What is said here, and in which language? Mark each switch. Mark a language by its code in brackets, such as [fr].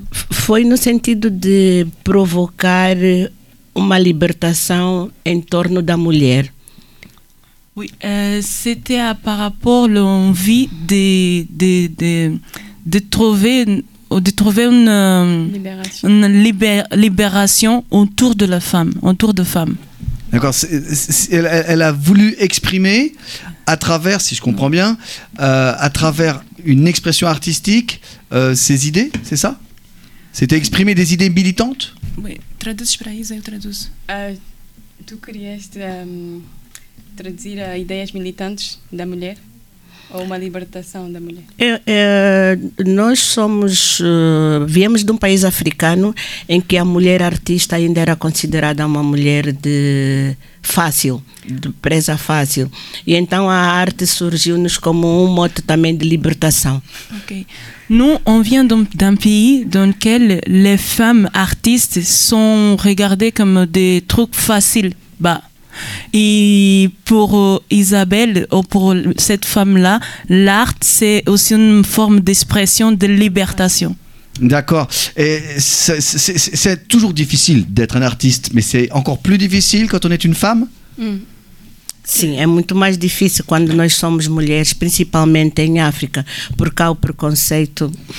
[pt] Foi no sentido de provocar uma libertação em torno da mulher. [fr] Oui, c'était à par rapport l'envie de de trouver une libération autour de la femme, autour de femmes. D'accord. Elle a voulu exprimer à travers, si je comprends bien, à travers une expression artistique, ses idées, c'est ça? C'était exprimer des idées militantes? Oui. [pt] Traduce para isso, eu traduzo. Tu querias traduzir as ideias militantes da mulher? Ou uma libertação da mulher? Nós somos, viemos de um país africano em que a mulher artista ainda era considerada uma mulher de fácil, de presa fácil. E então a arte surgiu-nos como um modo também de libertação. Ok. [fr] Nous, on vient d'un pays dans lequel les femmes artistes sont regardées comme des trucs faciles. Bah. Et pour Isabelle, ou pour cette femme-là, l'art, c'est aussi une forme d'expression de libération. D'accord. Et c'est toujours difficile d'être un artiste, mais c'est encore plus difficile quand on est une femme? [pt] Sim, é muito mais difícil quando nós somos mulheres, principalmente em África, porque há o preconceito.